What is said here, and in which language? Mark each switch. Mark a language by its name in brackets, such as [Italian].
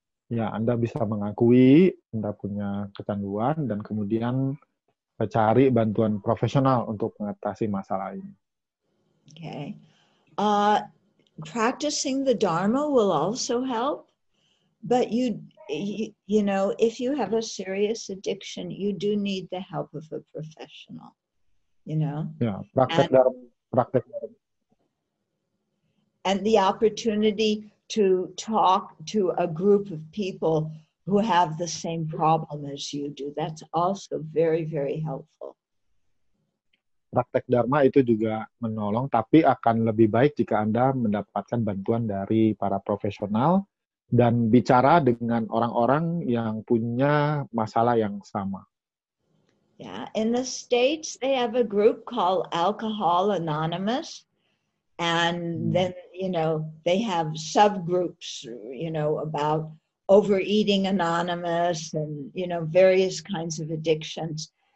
[Indonesian] Ya, Anda bisa mengakui Anda punya kecanduan dan kemudian cari bantuan profesional untuk mengatasi masalah ini. [English] Okay. Practicing the Dharma will also help, but you know, if you have a serious addiction, you do need the help of a professional, you know? [Indonesian] Ya, praktek dharma. [English] And the opportunity to talk to a group of people who have the same problem as you do. That's also very, very helpful. [Indonesian] Praktek Dharma itu juga menolong, tapi akan lebih baik jika Anda mendapatkan bantuan dari para profesional dan bicara dengan orang-orang yang punya masalah yang sama. [English] Yeah, in the States, they have a group called Alcohol Anonymous. And then, you know, they have subgroups, you know, about Overeating Anonymous and, you know, various kinds of addictions.